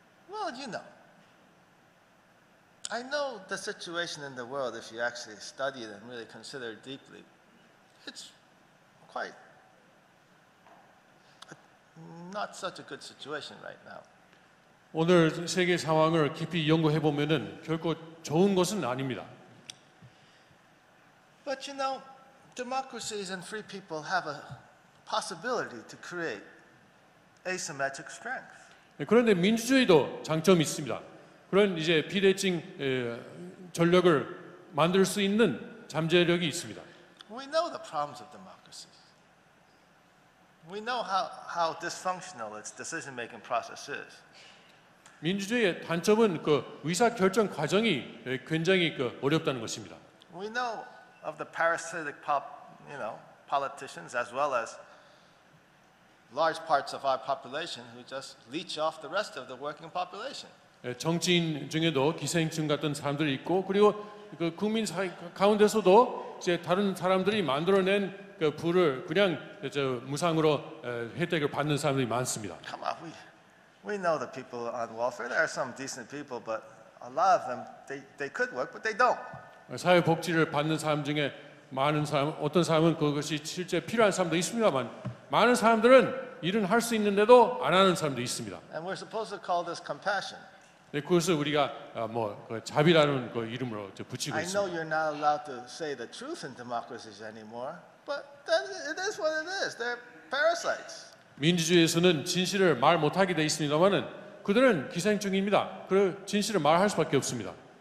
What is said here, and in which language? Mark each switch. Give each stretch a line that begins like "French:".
English: Well, you know, I know the situation in the world, if you actually study it and really consider it deeply, it's quite not such a good situation right now.
Korean: 오늘 세계 상황을 깊이 연구해 보면은 결코 좋은 것은 아닙니다.
English: But you know, democracies and free people have a possibility to create asymmetric strength.
Korean: 그런데 민주주의도 장점이 있습니다. 그런 이제 비대칭 전력을 만들 수 있는 잠재력이 있습니다.
English: We know the problems of democracy. We know how dysfunctional its decision-making process is.
Korean: 민주주의의 단점은 그 의사 결정 과정이 굉장히 그 어렵다는 것입니다.
English: We know of the parasitic politicians as well as large parts of our population who just leech off the rest of the working population.
Korean: 정치인 중에도 기생충 같은 사람들이 있고 그리고 그 국민 사이 가운데서도 이제 다른 사람들이 만들어낸 그 부를 그냥 이제 무상으로 혜택을 받는 사람들이 많습니다.
English: Come on, we know the people on welfare. There are some decent people, but a lot of them they could work, but they don't.
Korean: 사회 복지를 받는 사람 중에 많은 사람 어떤 사람은 그것이 실제 필요한 사람도 있습니다만. 많은 사람들은 일은 할 수 있는데도 안 하는 사람도 있습니다.
English: And we're supposed to call this compassion.
Korean: 네, 그것을 우리가 그 자비라는 그 이름으로 붙이고 있습니다.
English: I know you're not allowed to say the truth in democracies anymore, but that, it is what it is. They're parasites.
Korean: 민주주의에서는 진실을 말 못하게 돼 있습니다만은 그들은 기생충입니다. 그 진실을 말할 수밖에 없습니다.